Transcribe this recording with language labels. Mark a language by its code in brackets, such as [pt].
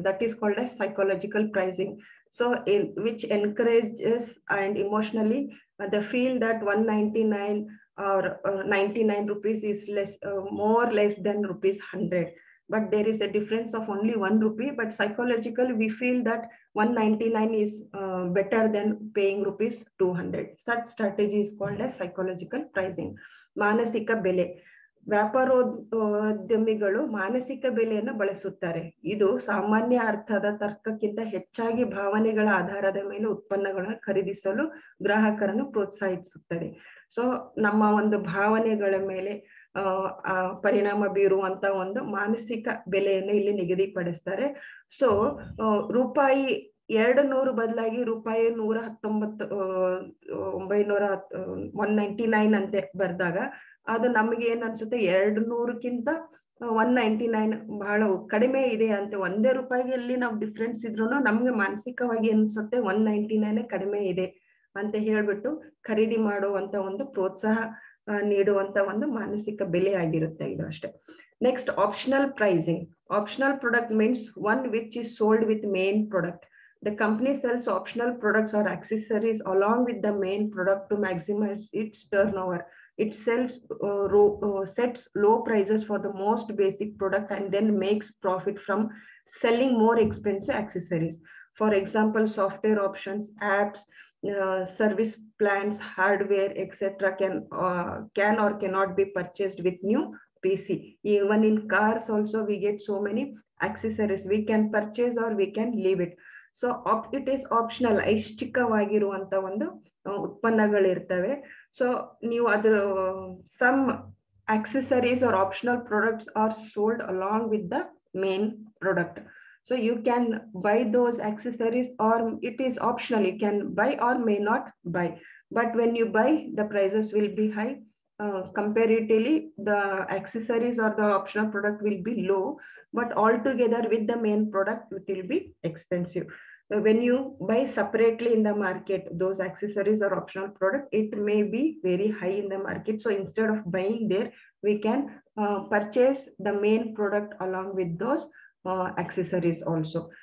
[en] That is called as psychological pricing. So which encourages and emotionally they feel that 199 or 99 rupees is less, more less than rupees 100. But there is a difference of only 1 rupee. But psychologically, we feel that 199 is better than paying rupees 200. Such strategy is called as psychological pricing. [kn] Manasika bele. ವ್ಯಾಪಾರೋದ್ಯಮಿಗಳು ಮಾನಸಿಕ ಬೆಲೆಯನ್ನು ಬಳಸುತ್ತಾರೆ. ಇದು ಸಾಮಾನ್ಯ ಅರ್ಥದ ತರ್ಕಕ್ಕಿಂತ ಹೆಚ್ಚಾಗಿ ಭಾವನೆಗಳ ಆಧಾರದ ಮೇಲೆ ಉತ್ಪನ್ನಗಳನ್ನು ಖರೀದಿಸಲು ಗ್ರಾಹಕರನ್ನು ಪ್ರೋತ್ಸಾಹಿಸುತ್ತದೆ. ಸೊ ನಮ್ಮ ಒಂದು ಭಾವನೆಗಳ ಮೇಲೆ ಪರಿಣಾಮ ಬೀರುವಂತ ಒಂದು ಮಾನಸಿಕ ಬೆಲೆಯನ್ನು ಇಲ್ಲಿ ನಿಗದಿಪಡಿಸ್ತಾರೆ. ಸೊ ರೂಪಾಯಿ 200 ಬದಲಾಗಿ ರೂಪಾಯಿ 199 ಅಂತೆ ಬರೆದಾಗ ಅದು ನಮಗೆ ಏನ್ ಅನ್ಸುತ್ತೆ, 200 199 ಬಹಳ ಕಡಿಮೆ ಇದೆ ಅಂತ. ಒಂದೇ ರೂಪಾಯಿಯಲ್ಲಿ ನಾವು ಡಿಫ್ರೆನ್ಸ್ ಇದ್ರು ನಮ್ಗೆ ಮಾನಸಿಕವಾಗಿ ಅನ್ಸುತ್ತೆ 199 ಕಡಿಮೆ ಇದೆ ಅಂತ ಹೇಳ್ಬಿಟ್ಟು ಖರೀದಿ ಮಾಡುವಂತ ಒಂದು ಪ್ರೋತ್ಸಾಹ ನೀಡುವಂತ ಒಂದು ಮಾನಸಿಕ ಬೆಲೆ ಆಗಿರುತ್ತೆ ಇದು ಅಷ್ಟೆ. [en] Next optional pricing. Optional product means one which is sold with main product. The company sells optional products or accessories along with the main product to maximise its turnover. It sells sets low prices for the most basic product and then makes profit from selling more expensive accessories. For example, software options, apps, service plans, hardware, etc. can or cannot be purchased with new PC. Even in cars also we get so many accessories. We can purchase or we can leave it. So it is optional. [kn] ಐಶ್ಚಿಕವಾಗಿರುವಂಥ ಒಂದು ಉತ್ಪನ್ನಗಳಿರ್ತವೆ. [en] so [kn] ನೀವು ಅದರ [en] Some accessories or optional products are sold along with the main product. So you can buy those accessories or it is optional, you can buy or may not buy. But when you buy the prices will be high comparatively, the accessories or the optional product will be low, but all together with the main product it will be expensive. When you buy separately in the market, those accessories or optional product, it may be very high in the market. So instead of buying there, we can purchase the main product along with those accessories also.